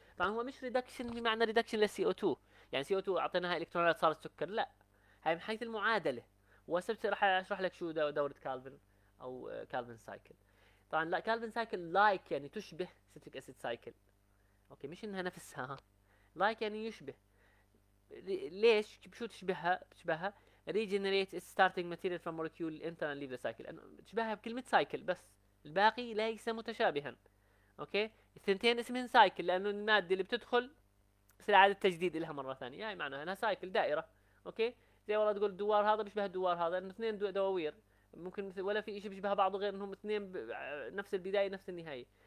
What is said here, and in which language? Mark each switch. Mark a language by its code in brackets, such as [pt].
[ar] طبعا هو مش ريدكشن بمعنى ريدكشن للسي او 2 يعني سي او 2 اعطيناها الكترونات صارت سكر، لا هاي من حيث المعادله. وسبت راح اشرح لك شو دوره كالفن او كالفن سايكل. طبعا لا كالفن سايكل لايك يعني تشبه سيتريك اسيد سايكل، اوكي مش انها نفسها، لايك يعني يشبه. ليش شو تشبهها؟ تشبهها [en] regenerate its starting material from molecule enter and leave the cycle. [ar] تشبهها بكلمة cycle بس الباقي ليس متشابها. اوكي الثنتين اسمهم cycle لانه المادة اللي بتدخل بصير اعادة تجديد لها مرة ثانية، يعني معناها انها cycle دائرة. اوكي زي والله تقول الدوار هذا بيشبه الدوار هذا لانه اثنين دواوير، ممكن ولا في شيء بيشبه بعضه غير انهم اثنين نفس البداية نفس النهاية.